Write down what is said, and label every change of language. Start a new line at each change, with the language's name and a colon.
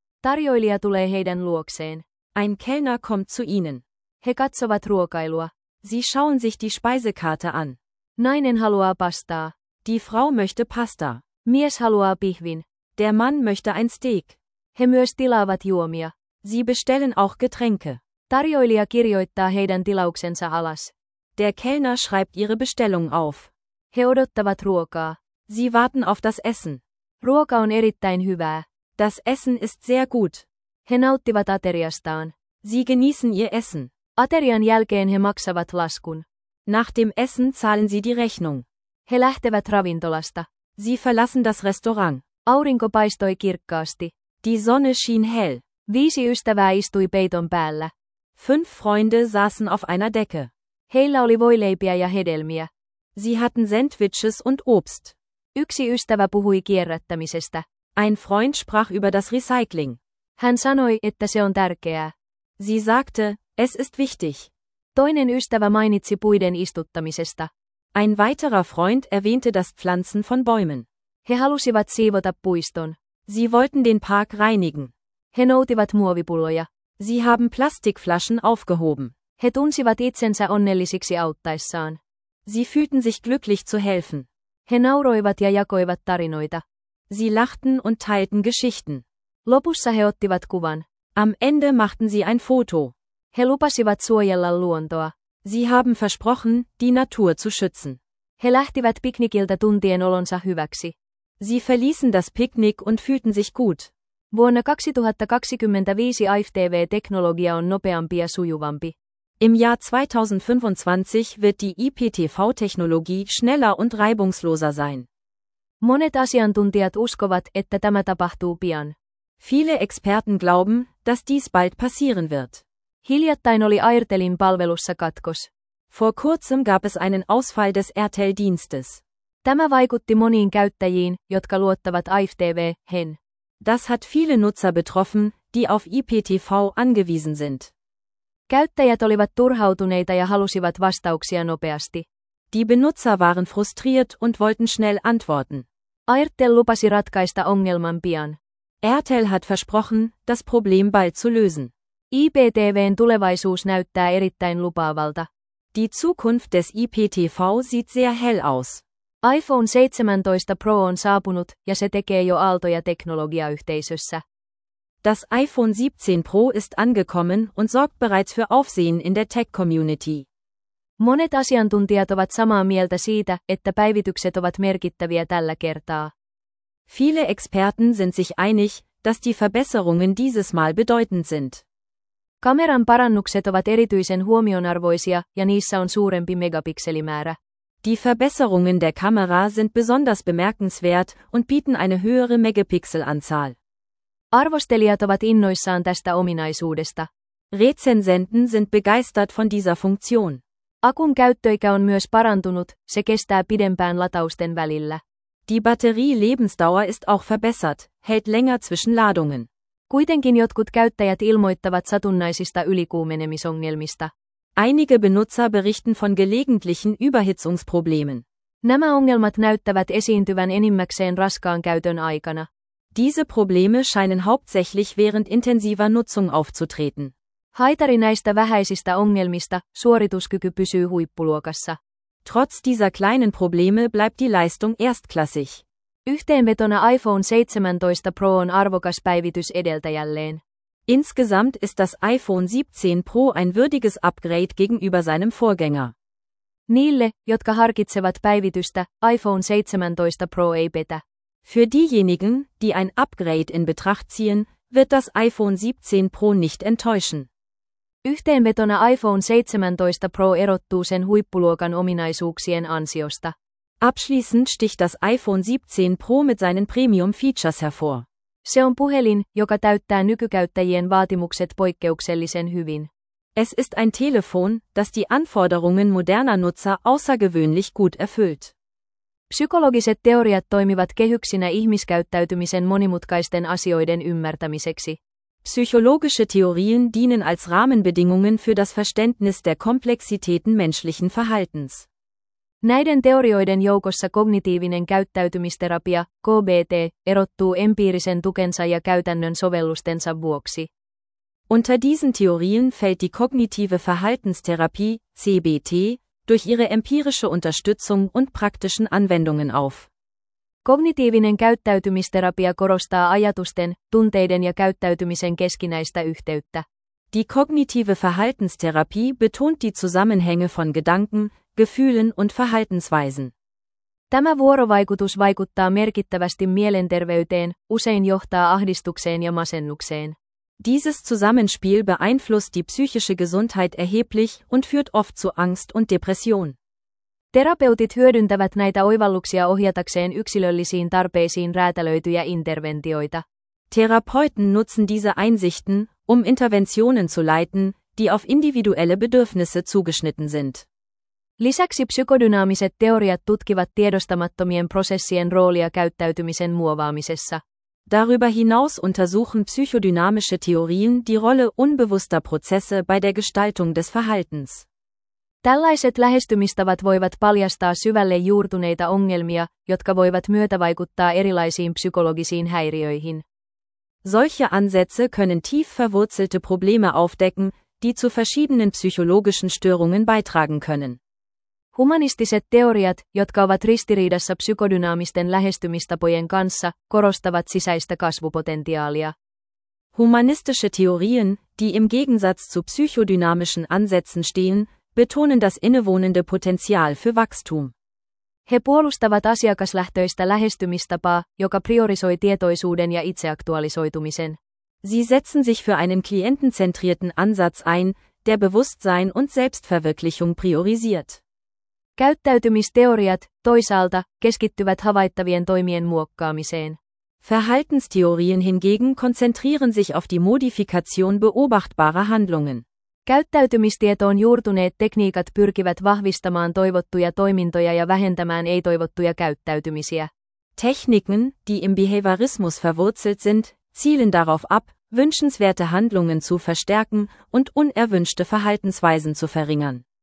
Finnish: Tarjoilija tulee heidän luokseen.
German: Ein Kellner kommt zu ihnen.
Finnish: He katsovat ruokailua.
German: Sie schauen sich die Speisekarte an.
Finnish: Nainen haluaa pastaa.
German: Die Frau möchte Pasta.
Finnish: Mies haluaa pihvin.
German: Der Mann möchte ein Steak.
Finnish: He myös tilaavat juomia.
German: Sie bestellen auch Getränke.
Finnish: Tarjoilija kirjoittaa heidän tilauksensa alas.
German: Der Kellner schreibt ihre Bestellung auf.
Finnish: He odottavat ruokaa.
German: Sie warten auf das Essen.
Finnish: Ruoka on erittäin hyvää.
German: Das Essen ist sehr gut.
Finnish: He nauttivat ateriastaan.
German: Sie genießen ihr Essen.
Finnish: Aterian jälkeen he maksavat laskun.
German: Nach dem Essen zahlen sie die Rechnung.
Finnish: He lähtevät ravintolasta.
German: Sie verlassen das Restaurant.
Finnish: Aurinko paistoi kirkkaasti.
German: Die Sonne schien hell.
Finnish: Viisi ystävää istui peiton päällä.
German: Fünf Freunde saßen auf einer Decke.
Finnish: Heillä oli voileipiä ja hedelmiä.
German: Sie hatten Sandwiches und Obst.
Finnish: Yksi ystävä puhui kierrättämisestä.
German: Ein Freund sprach über das Recycling.
Finnish: Hän sanoi, että se on tärkeää.
German: Sie sagte, es ist wichtig.
Finnish: Toinen ystävä mainitsi puiden istuttamisesta.
German: Ein weiterer Freund erwähnte das Pflanzen von Bäumen.
Finnish: He halusivat siivota puiston.
German: Sie wollten den Park reinigen.
Finnish: He noutivat muovipulloja.
German: Sie haben Plastikflaschen aufgehoben.
Finnish: He tunsivat itsensä onnellisiksi auttaessaan.
German: Sie fühlten sich glücklich zu helfen.
Finnish: He nauroivat ja jakoivat tarinoita.
German: Sie lachten und teilten Geschichten.
Finnish: Lopussa he ottivat kuvan.
German: Am Ende machten sie ein Foto.
Finnish: He lupasivat suojella luontoa.
German: Sie haben versprochen, die Natur zu schützen.
Finnish: He lähtivät piknikiltä tuntien olonsa hyväksi.
German: Sie verließen das Picknick und fühlten sich gut.
Finnish: Vuonna 2025 IFTV-teknologia on nopeampi ja sujuvampi.
German: Im Jahr 2025 wird die IPTV-Technologie schneller und reibungsloser sein.
Finnish: Monet asiantuntijat uskovat, että tämä tapahtuu pian.
German: Viele Experten glauben, dass dies bald passieren wird.
Finnish: Hiljattain oli Airtelin palvelussa katkos.
German: Vor kurzem gab es einen Ausfall des Airtel-Dienstes.
Finnish: Tämä vaikutti moniin käyttäjiin, jotka luottavat IFTV:hen.
German: Das hat viele Nutzer betroffen, die auf IPTV angewiesen sind.
Finnish: Käyttäjät olivat turhautuneita ja halusivat vastauksia nopeasti.
German: Die Benutzer waren frustriert und wollten schnell antworten.
Finnish: Airtel lupasi ratkaista ongelman pian.
German: Airtel hat versprochen, das Problem bald zu lösen.
Finnish: IPTV:n tulevaisuus näyttää erittäin lupaavalta.
German: Die Zukunft des IPTV sieht sehr hell aus.
Finnish: iPhone 17 Pro on saapunut ja se tekee jo aaltoja teknologiayhteisössä.
German: Das iPhone 17 Pro ist angekommen und sorgt bereits für Aufsehen in der Tech-Community.
Finnish: Monet asiantuntijat ovat samaa mieltä siitä, että päivitykset ovat merkittäviä tällä kertaa.
German: Viele Experten sind sich einig, dass die Verbesserungen dieses Mal bedeutend sind.
Finnish: Kameran parannukset ovat erityisen huomionarvoisia ja niissä on suurempi megapikselimäärä.
German: Die Verbesserungen der Kamera sind besonders bemerkenswert und bieten eine höhere Megapixelanzahl.
Finnish: Arvostelijat ovat innoissaan tästä ominaisuudesta.
German: Rezensenten sind begeistert von dieser Funktion.
Finnish: Akun käyttöikä on myös parantunut, se kestää pidempään latausten välillä.
German: Die Batterie-Lebensdauer ist auch verbessert, hält länger zwischen Ladungen.
Finnish: Kuitenkin jotkut käyttäjät ilmoittavat satunnaisista ylikuumenemisongelmista.
German: Einige Benutzer berichten von gelegentlichen Überhitzungsproblemen.
Finnish: Nämä ongelmat näyttävät esiintyvän enimmäkseen raskaan käytön aikana.
German: Diese Probleme scheinen hauptsächlich während intensiver Nutzung aufzutreten.
Finnish: Haitari näistä vähäisistä ongelmista, suorituskyky pysyy huippuluokassa.
German: Trotz dieser kleinen Probleme bleibt die Leistung erstklassig.
Finnish: Yhteenvetona iPhone 17 Pro on arvokas päivitys edeltäjälleen.
German: Insgesamt ist das iPhone 17 Pro ein würdiges Upgrade gegenüber seinem Vorgänger.
Finnish: Niille, jotka harkitsevat päivitystä, iPhone 17 Pro ei petä.
German: Für diejenigen, die ein Upgrade in Betracht ziehen, wird das iPhone 17 Pro nicht enttäuschen.
Finnish: Yhteenvetona iPhone 17 Pro erottuu sen huippuluokan ominaisuuksien ansiosta.
German: Abschließend sticht das iPhone 17 Pro mit seinen Premium Features hervor.
Finnish: Se on puhelin, joka täyttää nykykäyttäjien vaatimukset poikkeuksellisen hyvin.
German: Es ist ein Telefon, das die Anforderungen moderner Nutzer außergewöhnlich gut erfüllt.
Finnish: Psykologiset teoriat toimivat kehyksinä ihmiskäyttäytymisen monimutkaisten asioiden ymmärtämiseksi.
German: Psychologische Theorien dienen als Rahmenbedingungen für das Verständnis der Komplexitäten menschlichen Verhaltens.
Finnish: Näiden teorioiden joukossa kognitiivinen käyttäytymisterapia, KBT, erottuu empiirisen tukensa ja käytännön sovellustensa vuoksi.
German: Unter diesen Theorien fällt die kognitive Verhaltenstherapie, CBT, durch ihre empirische Unterstützung und praktischen Anwendungen auf.
Finnish: Kognitiivinen käyttäytymisterapia korostaa ajatusten, tunteiden ja käyttäytymisen keskinäistä yhteyttä.
German: Die kognitive Verhaltenstherapie betont die Zusammenhänge von Gedanken, Gefühlen und Verhaltensweisen.
Finnish: Tämä vuorovaikutus vaikuttaa merkittävästi mielenterveyteen, usein johtaa ahdistukseen ja masennukseen.
German: Dieses Zusammenspiel beeinflusst die psychische Gesundheit erheblich und führt oft zu Angst und Depression.
Finnish: Terapeutit hyödyntävät näitä oivalluksia ohjatakseen yksilöllisiin tarpeisiin räätälöityjä interventioita.
German: Therapeuten nutzen diese Einsichten, um Interventionen zu leiten, die auf individuelle Bedürfnisse zugeschnitten sind.
Finnish: Lisäksi psykodynaamiset teoriat tutkivat tiedostamattomien prosessien roolia käyttäytymisen muovaamisessa.
German: Darüber hinaus untersuchen psychodynamische Theorien die Rolle unbewusster Prozesse bei der Gestaltung des Verhaltens.
Finnish: Tällaiset lähestymistavat voivat paljastaa syvälle juurtuneita ongelmia, jotka voivat myötävaikuttaa erilaisiin psykologisiin häiriöihin.
German: Solche Ansätze können tief verwurzelte Probleme aufdecken, die zu verschiedenen psychologischen Störungen beitragen können.
Finnish: Humanistiset teoriat, jotka ovat ristiriidassa psykodynaamisten lähestymistapojen kanssa, korostavat sisäistä kasvupotentiaalia.
German: Humanistische Theorien, die im Gegensatz zu psychodynamischen Ansätzen stehen, betonen das innewohnende Potenzial für Wachstum.
Finnish: He puolustavat asiakaslähtöistä lähestymistapaa, joka priorisoi tietoisuuden ja itseaktualisoitumisen.
German: Sie setzen sich für einen klientenzentrierten Ansatz ein, der Bewusstsein und Selbstverwirklichung priorisiert.
Finnish: Käyttäytymisteoriat, toisaalta, keskittyvät havaittavien toimien muokkaamiseen.
German: Verhaltenstheorien hingegen konzentrieren sich auf die Modifikation beobachtbarer Handlungen.
Finnish: Käyttäytymistietoon juurtuneet tekniikat pyrkivät vahvistamaan toivottuja toimintoja ja vähentämään ei-toivottuja käyttäytymisiä.
German: Techniken, die im Behaviorismus verwurzelt sind, zielen darauf ab, wünschenswerte Handlungen zu verstärken und unerwünschte Verhaltensweisen zu verringern.